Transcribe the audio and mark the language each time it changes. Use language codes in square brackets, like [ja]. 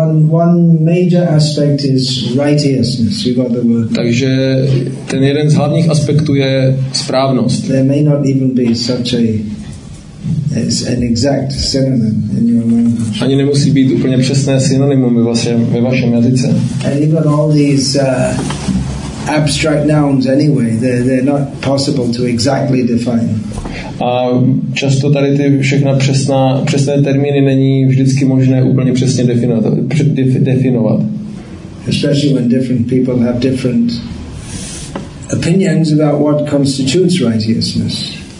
[en] One major aspect is righteousness. You got the word. [cs] Takže ten jeden z hlavních aspektů je správnost. [en] There may not even be such an exact synonym in your language. [cs] Ani nemusí být úplně přesné synonymum ve vašem jazyce. [en] And even all these abstract nouns anyway, they're not possible to exactly define. [cs] A často tady ty všechna přesné termíny není vždycky možné úplně přesně definovat. [en] Especially when different people have different opinions about what constitutes righteousness.